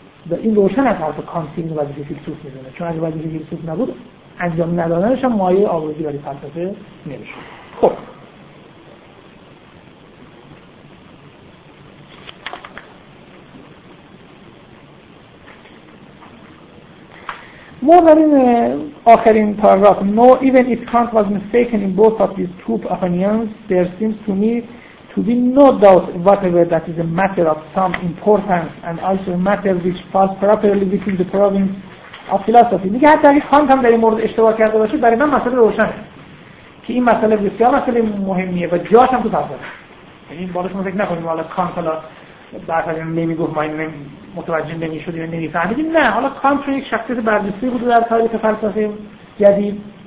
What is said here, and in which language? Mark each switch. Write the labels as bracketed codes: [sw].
[fa] و این روشن از حرف کانت اینو وظیفه فیلسوف میدونه، چون اگه وظیفه فیلسوف نبود انجام ندادنش هم مایه آبروزی برای فلسفه نمیشد. خب ما داریم آخرین پاراگراف. [en] No, even if Kant was mistaken in both of these two opinions, there seems to me to be no doubt whatever that is a matter of some importance and also a matter which falls properly within the province of philosophy. [fa] میگه حتی اگه کانت هم در این مورد اشتباه کرده باشه، برای من مسئله روشنه که این مسئله بسیار مسئله مهمیه و جاش هم تو فلسفه. یعنی بالاخره فکر نکنیم حالا کانت حالا بعد از این نمیگفت ما این متوجه نمیشد یا نمیفهمیدیم، نه، حالا کانت یک شخصیت برجسته بود در تاریخ فلسفه جدید.